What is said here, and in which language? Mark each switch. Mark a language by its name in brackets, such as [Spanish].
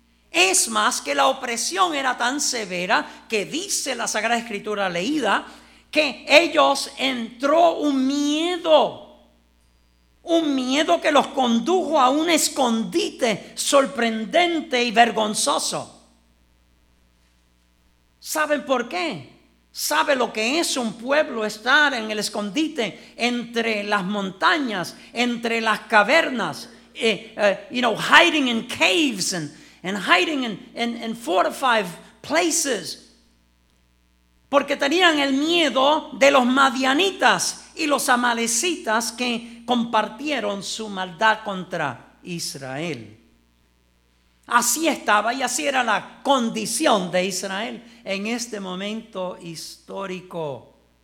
[Spanish] Es más, que la opresión era tan severa que dice la Sagrada Escritura leída que ellos entró un miedo que los condujo a un escondite sorprendente y vergonzoso. ¿Saben por qué? ¿Sabe lo que es un pueblo estar en el escondite entre las montañas, entre las cavernas? [English] Hiding in caves and hiding in 4 or 5 places. [Spanish] Porque tenían el miedo de los madianitas y los amalecitas que compartieron su maldad contra Israel. Así estaba y así era la condición de Israel en este momento histórico.